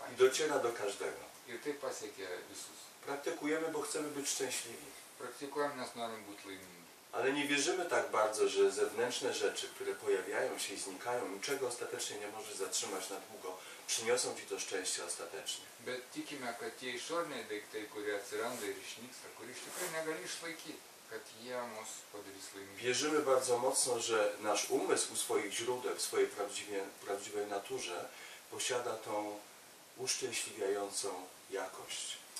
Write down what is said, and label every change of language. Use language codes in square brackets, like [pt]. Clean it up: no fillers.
[pl] I dociera do każdego. [lt] I tai pasiekia visus. [pl] Praktykujemy, bo chcemy być szczęśliwi. [lt] Praktykujemy, nes norim būti laimingi. [pl] Ale nie wierzymy tak bardzo, że zewnętrzne rzeczy, które pojawiają się i znikają, niczego ostatecznie nie możesz zatrzymać na długo, przyniosą ci to szczęście ostatecznie. [lt] Bet tikim, kad tie išorniai daiktai, kurie atsiranda ir išnyksta, kurie iš tikrųjų negali išlaikyti, kad jie mus padarys laimingi. [pl] Wierzymy bardzo mocno, że nasz umysł u swoich źródeł, w swojej prawdziwej naturze posiada tą uszczęśliwiającą jakość.